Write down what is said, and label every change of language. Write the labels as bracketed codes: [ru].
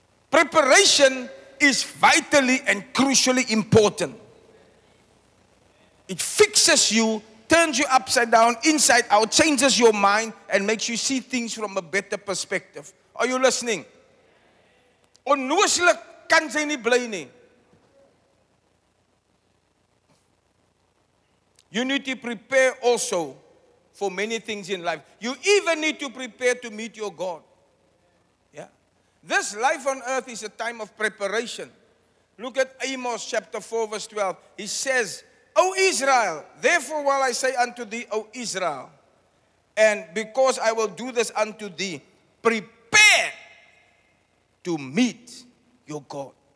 [en] Preparation is vitally and crucially important. It fixes you, turns you upside down, inside out, changes your mind, and makes you see things from a better perspective. Are you listening? [af] Onnooslik kan sy nie bly nie. [en] You need to prepare also for many things in life. You even need to prepare to meet your God. Yeah. This life on earth is a time of preparation. Look at Amos chapter 4 verse 12. He says, "O Israel, therefore while I say unto thee, O Israel, and because I will do this unto thee, prepare to meet your God."